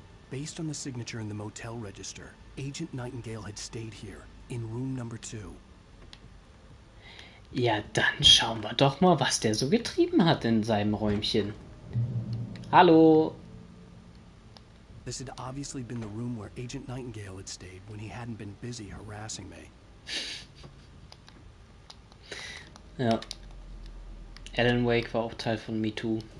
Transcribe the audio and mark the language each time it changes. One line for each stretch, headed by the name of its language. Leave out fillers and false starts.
English: Based on the signature in the motel register, Agent Nightingale had stayed here in room number 2.
German: Ja, dann schauen wir doch mal, was der so getrieben hat in seinem Räumchen. Hallo.
English: This had obviously been the room where Agent Nightingale had stayed when he hadn't been busy harassing me.
German: Ja. Alan Wake war auch Teil von Me Too.